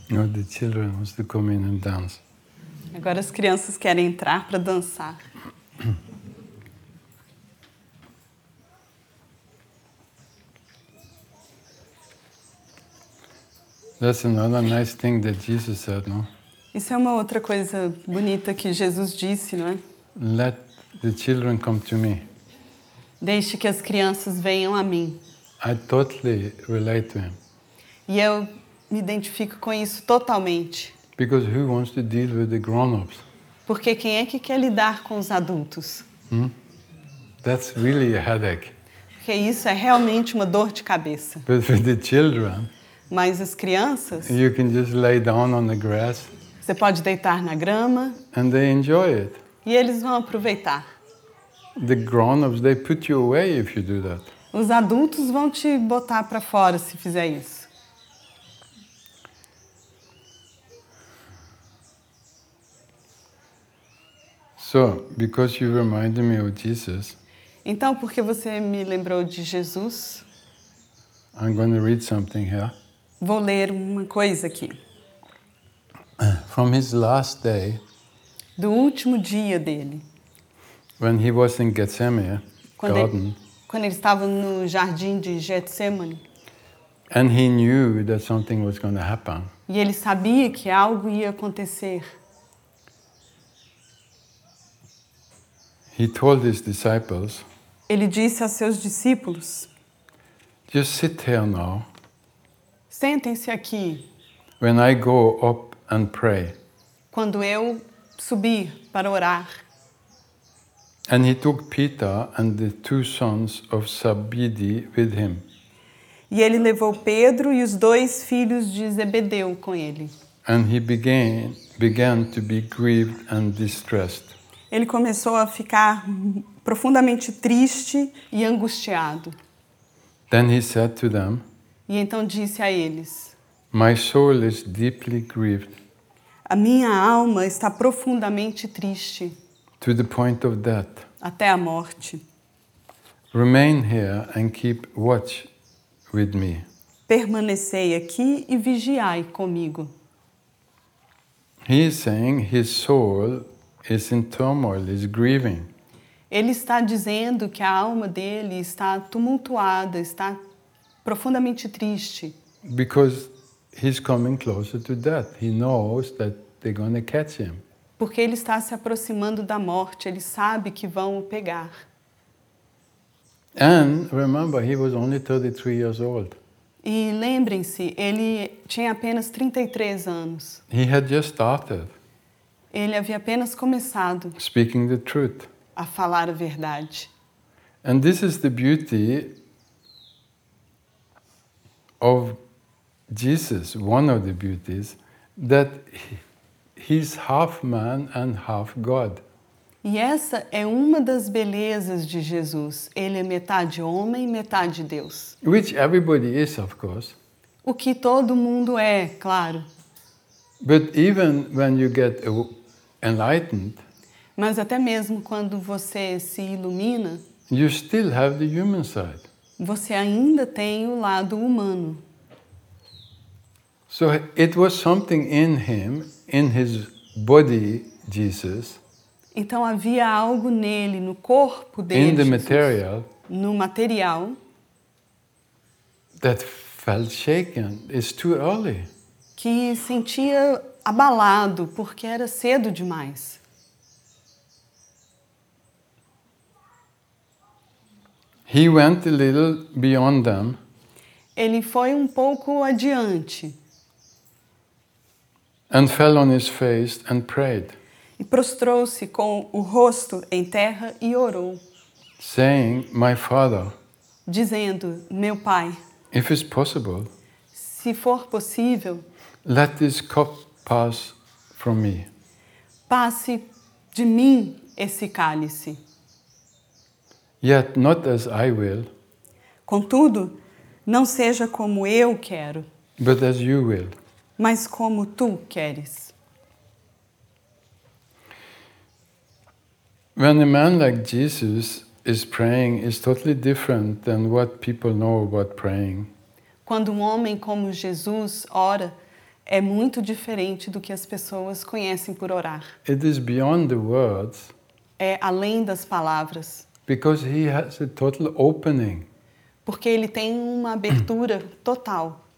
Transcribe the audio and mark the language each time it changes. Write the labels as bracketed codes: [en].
[en] The children wants to come in and dance. [pt] Agora as crianças querem entrar para dançar. [en] That's another nice thing that Jesus said, no? [pt] Isso é uma outra coisa bonita que Jesus disse, não é? [en] Let the children come to me. [pt] Deixe que as crianças venham a mim. [en] I totally relate to him. [pt] E eu me identifico com isso totalmente. [en] Because who wants to deal with the grown-ups? [pt] Porque quem é que quer lidar com os adultos? Hmm? [en] That's really a headache. [pt] Porque isso é realmente uma dor de cabeça. [en] But with the children, [pt] mas as crianças, [en] you can just lay down on the grass, [pt] você pode deitar na grama, [en] and they enjoy it. [pt] E eles vão aproveitar. [en] The grown-ups, they put you away if you do that. [pt] Os adultos vão te botar para fora se fizer isso. [en] So, because you reminded me of Jesus, [pt] então, porque você me lembrou de Jesus, [en] I'm going to read something here. [pt] Vou ler uma coisa aqui. [en] From his last day, [pt] do último dia dele, [en] when he was in Gethsemane, [pt] quando ele estava no jardim de Getsemane, [en] and he knew that something was going to happen. [pt] E ele sabia que algo ia acontecer. [en] He told his disciples, [pt] ele disse aos seus discípulos, [en] just sit here now. [pt] Sentem-se aqui. [en] When I go up and pray. [pt] Quando eu subir para orar. [en] And he took Peter and the two sons of Zebedee with him. [pt] E ele levou Pedro e os dois filhos de Zebedeu com ele. [en] And he began to be grieved and distressed. [pt] Ele começou a ficar profundamente triste e angustiado. [en] Then he said to them, [pt] e então disse a eles, [en] my soul is deeply grieved. [pt] A minha alma está profundamente triste. [en] To the point of death. [pt] Até a morte. [en] Remain here and keep watch with me. [pt] Permanecei aqui e vigiai comigo. [en] He is saying his soul is in turmoil, is grieving. [pt] Ele está dizendo que a alma dele está tumultuada, está profundamente triste. [en] Because he's coming closer to death. He knows that they're going to catch him. [pt] Porque ele está se aproximando da morte, ele sabe que vão o pegar. [en] And remember, he was only 33 years old. [pt] E lembrem-se, ele tinha apenas 33 anos. [en] He had just started. [pt] Ele havia apenas começado [en] speaking the truth. [pt] A falar a verdade. [en] And this is the beauty of Jesus, one of the beauties, that he's half man and half God. [pt] E essa é uma das belezas de Jesus. Ele é metade homem e metade Deus. [en] Which everybody is, of course. [pt] O que todo mundo é, claro. [en] But even when you get enlightened, [pt] mas até mesmo quando você se ilumina, [en] you still have the human side. [pt] Você ainda tem o lado humano. [en] So it was something in him, in his body, Jesus. [pt] Então havia algo nele, no corpo dele, [en] in the material, [pt] Jesus, no material, [en] that felt shaken. It's too early. [pt] Que sentia abalado porque era cedo demais. [en] He went a little beyond them. [pt] Ele foi um pouco adiante. [en] And fell on his face and prayed. [pt] E prostrou-se com o rosto em terra e orou. [en] Saying, "My Father." [pt] Dizendo, meu pai. [en] If it's possible. [pt] Se for possível. [en] Let this cup pass from me. [pt] Passe de mim esse cálice. [en] Yet not as I will. [pt] Contudo, não seja como eu quero. [en] But as you will. [pt] Mas como tu queres. [en] When a man like Jesus is praying, it's totally different than what people know about praying. [pt] Quando homem como Jesus ora, é muito diferente do que as pessoas conhecem por orar. [en] It is beyond the words. [pt] É além das palavras. [en] Because he has a total opening. [pt] Porque ele tem uma abertura total.